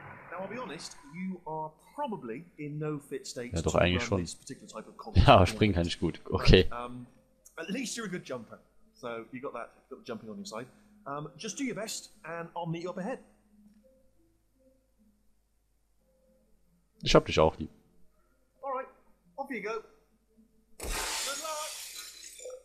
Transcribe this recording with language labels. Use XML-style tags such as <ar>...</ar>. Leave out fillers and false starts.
<en>Now, I'll be honest, you are probably in no fit state.</en> <de>Ja, doch eigentlich schon. Ja, aber springen kann ich gut.</de> <en>Okay. At least you're a good jumper. So, you got that jumping on your side. Just do your best and I'll meet you up ahead.</en> <de>Ich hab dich auch lieb.</de> <en>Alright, off you go. Good luck!</en>